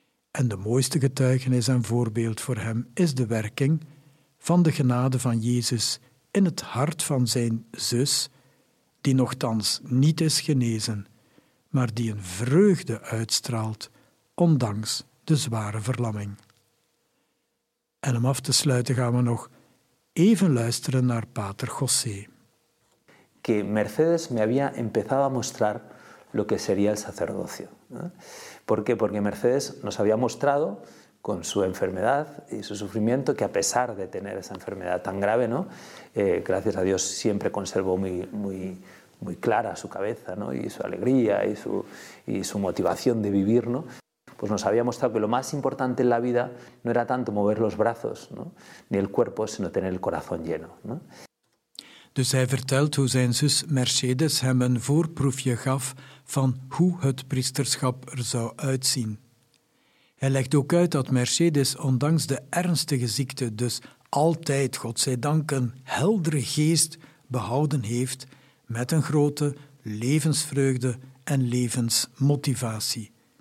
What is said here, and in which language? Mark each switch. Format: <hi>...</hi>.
<nl>En de mooiste getuigenis en voorbeeld voor hem is de werking van de genade van Jezus in het hart van zijn zus, die nochtans niet is genezen, maar die een vreugde uitstraalt, ondanks de zware verlamming. En om af te sluiten gaan we nog even luisteren naar pater José.</nl> <es>Que Mercedes me había empezado a mostrar lo que sería el sacerdocio. ¿Por qué? Porque Mercedes nos había mostrado con su enfermedad y su sufrimiento que a pesar de tener esa enfermedad tan grave, ¿no? Gracias a Dios siempre conservó muy clara su cabeza, ¿no? Y su alegría y su motivación de vivir, ¿no? Pues nos había mostrado que lo más importante en la vida no era tanto mover los brazos, ¿no? Ni el cuerpo, sino tener el corazón lleno, ¿no?</es> <nl>Dus hij vertelt hoe zijn zus Mercedes hem een voorproefje gaf van hoe het priesterschap er zou uitzien. Hij legt ook uit dat Mercedes, ondanks de ernstige ziekte, dus altijd, godzijdank, een heldere geest behouden heeft met een grote levensvreugde en levensmotivatie.</nl>